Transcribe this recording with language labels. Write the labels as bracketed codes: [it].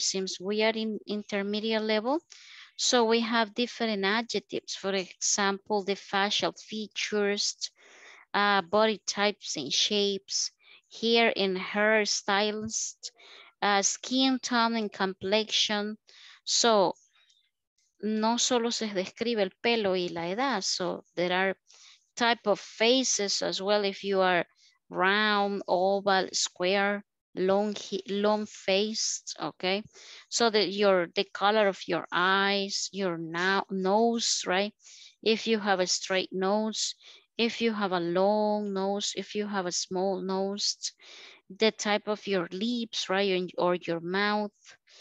[en] Since we are in intermediate level. So we have different adjectives, for example, the facial features, body types and shapes, hair and hair styles, skin tone and complexion. [es] So, no solo se describe el pelo y la edad. [en] So, there are type of faces as well. If you are round, oval, square, long faced, okay? So, the color of your eyes, your nose, right? If you have a straight nose, if you have a long nose, if you have a small nose, the type of your lips, right, or your mouth.